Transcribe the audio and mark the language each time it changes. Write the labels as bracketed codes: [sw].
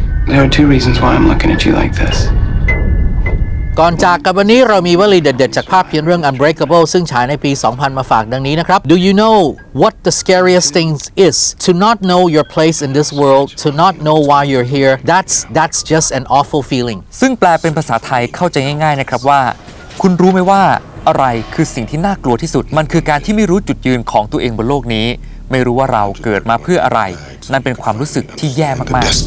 [en] There are two reasons why I'm looking at you like this. [th] ก่อนจากกันวันนี้เรามีวลีเด็ดๆจากภาพยนตร์เรื่อง Unbreakable ซึ่งฉายในปี2000มาฝากดังนี้นะครับ [en] Do you know what the scariest thing is? To not know your place in this world, to not know why you're here. That's just an awful feeling. [th] ซึ่งแปลเป็นภาษาไทยเข้าใจง่ายๆนะครับว่าคุณรู้ไหมว่าอะไรคือสิ่งที่น่ากลัวที่สุดมันคือการที่ไม่รู้จุดยืนของตัวเองบนโลกนี้ไม่รู้ว่าเราเกิดมาเพื่ออะไรนั่นเป็นความรู้สึกที่แย่มากมาก